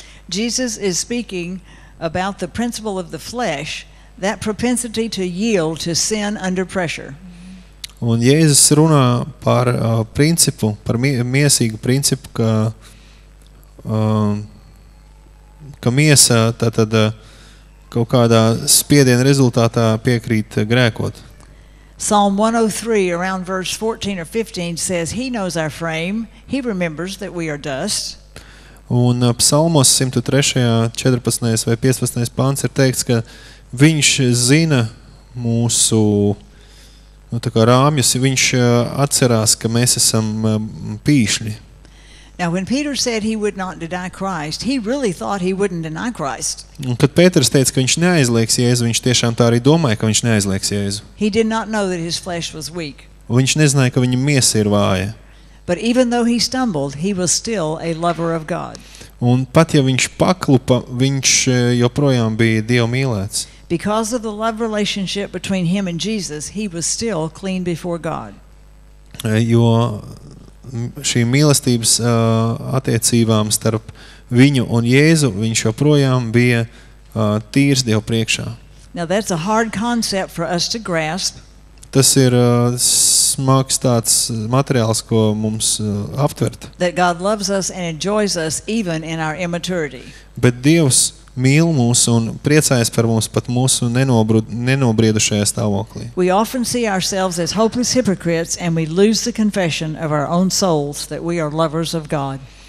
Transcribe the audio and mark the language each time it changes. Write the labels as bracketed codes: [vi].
[en] Jesus is speaking about the principle of the flesh, that propensity to yield to sin under pressure. [lv] Un Jēzus runā par principu, par miesīgu principu, ka ka miesa tātad kaut kādā spiediena rezultātā piekrīt grēkot. [en] Psalm 103 around verse 14 or 15 says he knows our frame, he remembers that we are dust. [lv] Un Psalmos 103. 14. Vai 15. Pants ir teikts, ka viņš zina mūsu nu, tā kā rāmjus, viņš atcerās, ka mēs esam pīšļi. [en] Now when Peter said he would not deny Christ, he really thought he wouldn't deny Christ. [lv] Un kad Pēters teica, ka viņš neaizliegs Jēzu, viņš tiešām tā arī domāja, ka viņš neaizliegs Jēzu. [en] He did not know that his flesh was weak. [lv] Un viņš nezināja, ka viņa miesa ir vāja. [en] But even though he stumbled, he was still a lover of God. [lv] Un pat ja viņš paklupa, viņš joprojām bija Dieva mīlēts. [en] Because of the love relationship between him and Jesus, he was still clean before God. [lv] Jo šī mīlestības attiecībām starp viņu un Jēzu, viņš joprojām bija tīrs Dieva priekšā. [en] Now that's a hard concept for us to grasp. [lv] Tas ir smags tāds materiāls, ko mums aptvert. [en] That God loves us and enjoys us even in our immaturity. [lv] Bet Dievs mīl mūs un priecājas par mums pat mūsu nenobriedušajā stāvoklī. [en] We often see ourselves as hopeless hypocrites and we lose the confession of our own souls that we are lovers of God.